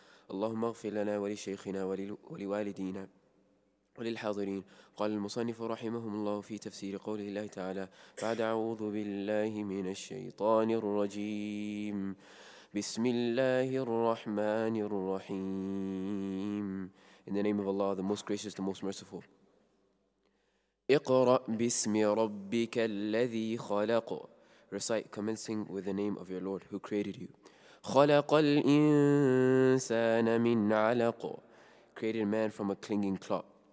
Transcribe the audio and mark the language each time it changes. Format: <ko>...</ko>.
<ar>Allahumma ighfir lana wa li shaykhina wa li walidina وللحاضرين. قال المصنف رحمهم الله في تفسير قوله الله تعالى: بعد أعوذ بالله من الشيطان الرجيم، بسم الله الرحمن الرحيم.</ar> <en>In the name of Allah, the most gracious, the most merciful.</en> <ar>اقرأ باسم ربك الذي خلق.</ar> <en>Recite commencing with the name of your Lord who created you.</en> <ar>خلق الإنسان من علق.</ar> <en>Created man from a clinging clot.</en>